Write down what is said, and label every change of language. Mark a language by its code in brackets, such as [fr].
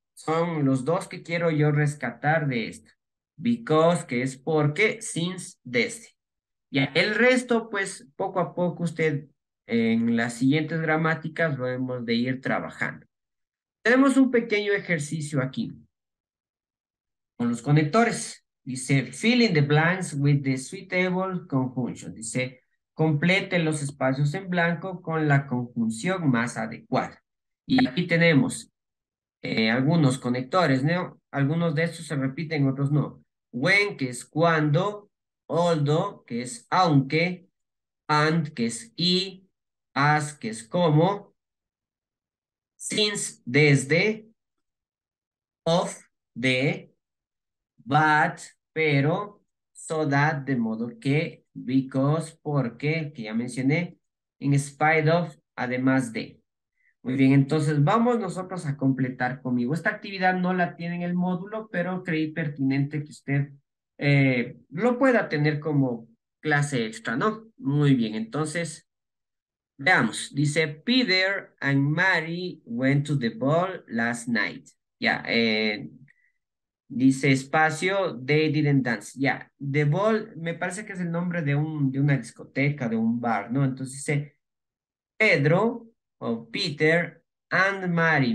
[es] Son los dos que quiero yo rescatar de esto. Because, que es porque, since, desde. Ya, el resto, pues, poco a poco usted en las siguientes gramáticas lo hemos de ir trabajando. Tenemos un pequeño ejercicio aquí con los conectores. Dice, [en] fill in the blanks with the suitable conjunction. [es] Dice, complete los espacios en blanco con la conjunción más adecuada. Y aquí tenemos algunos conectores, ¿no? Algunos de estos se repiten, otros no. When, que es cuando. Although, que es aunque. And, que es y. As, que es como. Since, desde. Of, de. But, pero. So that, de modo que. Because, porque, que ya mencioné. In spite of, además de. Muy bien, entonces vamos nosotros a completar conmigo. Esta actividad no la tiene en el módulo, pero creí pertinente que usted lo pueda tener como clase extra, ¿no? Muy bien, entonces veamos. [en] Dice, Peter and Mary went to the ball last night. [es] Ya, dice, espacio, [en] they didn't dance. [es] Ya, the ball, me parece que es el nombre de una discoteca, de un bar, ¿no? Entonces dice, Pedro... O Peter and Mary.